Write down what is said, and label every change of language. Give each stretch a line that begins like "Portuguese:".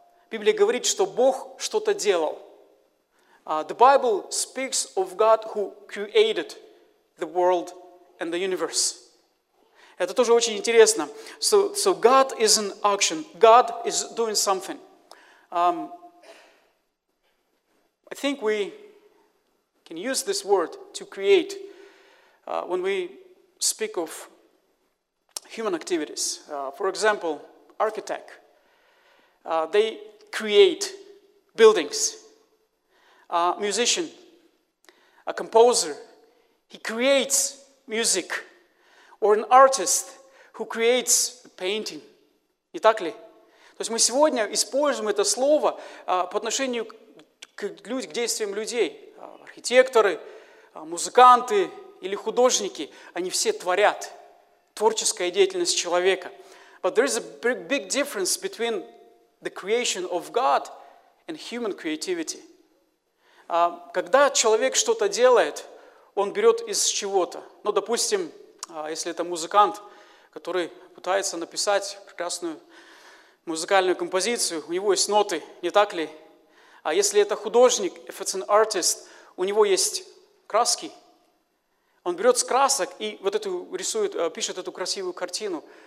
Russian: Библия говорит, что Бог что-то делал.
English: The Bible speaks of God who created the world and the universe.
Russian: Это тоже очень интересно.
English: So God is in action. God is doing something. I think we can use this word to create when we speak of human activities. For example, architect. They create buildings. Musician, a composer, he creates music. Or an artist who creates a painting.
Russian: Не так ли? То есть мы сегодня используем это слово по отношению к действиям людей. Архитекторы, музыканты или художники, они все творят творческая деятельность человека.
English: But there is a big difference between the creation of God and human creativity.
Russian: Когда человек что-то делает, он берет из чего-то. Ну, допустим, если это музыкант, который пытается написать прекрасную музыкальную композицию, у него есть ноты, не так ли? А если это художник,
English: if it's an artist,
Russian: у него есть краски, он берет с красок и вот эту рисует, пишет эту красивую картину.